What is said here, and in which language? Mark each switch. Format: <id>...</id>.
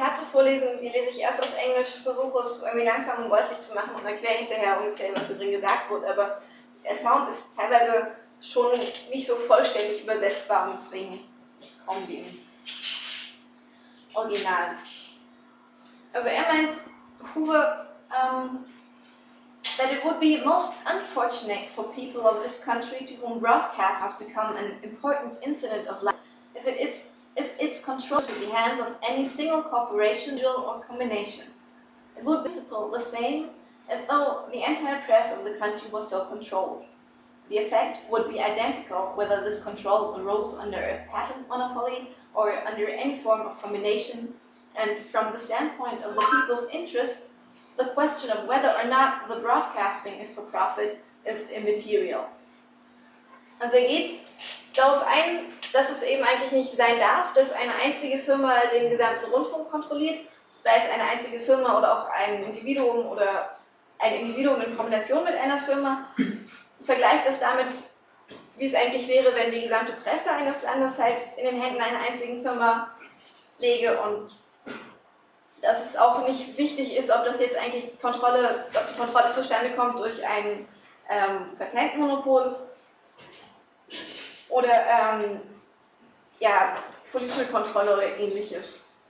<de>Vorlesen, die lese ich erst auf Englisch, versuche es irgendwie langsam und deutlich zu machen und erkläre hinterher ungefähr, was da drin gesagt wurde, aber der Sound ist teilweise schon nicht so vollständig übersetzbar und deswegen kaum wie im Original. Also er meint,</de> <en>Huber, that it would be most unfortunate for people of this country to whom broadcast has become an important incident of life, if its control to the hands of any single corporation, deal or combination. It would be principle the same as though the entire press of the country was so controlled. The effect would be identical whether this control arose under a patent monopoly or under any form of combination, and from the standpoint of the people's interest, the question of whether or not the broadcasting is for profit is immaterial.</en> <de>Also geht darauf ein, dass es eben eigentlich nicht sein darf, dass eine einzige Firma den gesamten Rundfunk kontrolliert, sei es eine einzige Firma oder auch ein Individuum oder ein Individuum in Kombination mit einer Firma. Vergleicht das damit, wie es eigentlich wäre, wenn die gesamte Presse eines Landes halt in den Händen einer einzigen Firma läge und dass es auch nicht wichtig ist, ob das jetzt eigentlich Kontrolle, ob die Kontrolle zustande kommt durch ein Patentmonopol oder ja, politische Kontrolle oder ähnliches.</de>